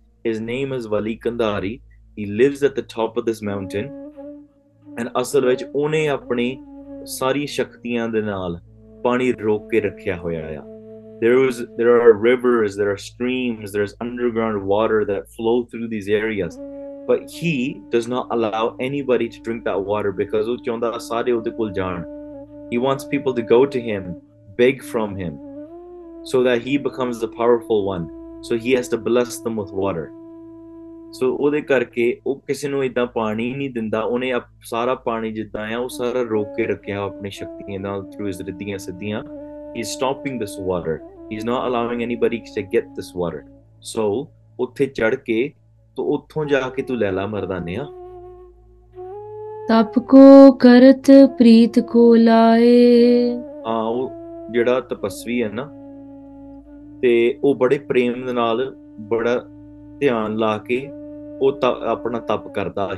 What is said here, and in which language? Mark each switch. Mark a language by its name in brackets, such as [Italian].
[English] His name is Wali Kandhari. He lives at the top of this mountain and [Punjabi] ਅਸਲ ਵਿੱਚ ਉਹਨੇ ਆਪਣੀ ਸਾਰੀ ਸ਼ਕਤੀਆਂ ਦੇ ਨਾਲ ਪਾਣੀ ਰੋਕ ਕੇ ਰੱਖਿਆ ਹੋਇਆ ਆ। [English] there are rivers there are streams there is underground water that flow through these areas but he does not allow anybody to drink that water because [Punjabi] ਉਹ ਚਾਹੁੰਦਾ ਸਾਰੇ ਉਹਦੇ ਕੋਲ ਜਾਣ। [English] He wants people to go to him, beg from him, so that he becomes the powerful one. So he has to bless them with water. [Punjabi] So ਉਹਦੇ ਕਰਕੇ ਉਹ ਕਿਸੇ ਨੂੰ ਇੱਦਾਂ ਪਾਣੀ ਨਹੀਂ ਦਿੰਦਾ। ਉਹਨੇ ਸਾਰਾ ਪਾਣੀ ਜਿੱਦਾਂ ਆ ਉਹ ਸਾਰਾ ਰੋਕ ਕੇ ਰੱਖਿਆ ਆਪਣੀ ਸ਼ਕਤੀਆਂ ਨਾਲ [English] through his [Punjabi] ਰਿੱਧੀਆਂ ਸਿੱਧੀਆਂ। [English] He is stopping this water. He is not allowing anybody to get this water. [Punjabi] So ਉੱਥੇ ਚੜ੍ਹ ਕੇ ਉੱਥੋਂ ਜਾ ਕੇ ਤੂੰ ਲੈ ਲਾ ਮਰਦਾਨਿਆ। ਤਪ ਕੋ ਕਰਤ ਪ੍ਰੀਤ ਕੋ ਲਾਏ। ਆ ਉਹ ਜਿਹੜਾ ਤਪਸਵੀ ਹੈ ਨਾ ਤੇ ਉਹ ਬੜੇ ਪ੍ਰੇਮ ਦੇ ਨਾਲ ਬੜਾ ਧਿਆਨ ਲਾ ਕੇ ਉਹ ਤਾਂ ਆਪਣਾ ਤਪ ਕਰਦਾ.